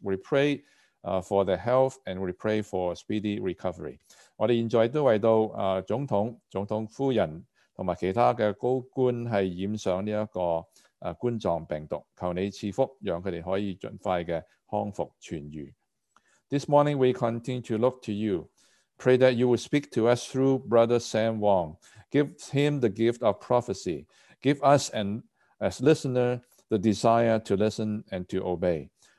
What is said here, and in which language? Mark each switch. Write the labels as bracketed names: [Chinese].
[English] We pray for their health and we pray for speedy recovery. [Chinese] 我们现在都为到总统、总统夫人和其他的高官是染上这个 冠状病毒，求你赐福，让他们可以尽快的康复痊愈。 [English] This morning, we continue to look to you. Pray that you will speak to us through Brother Sam Wong. Give him the gift of prophecy. Give us, and as listener, the desire to listen and to obey.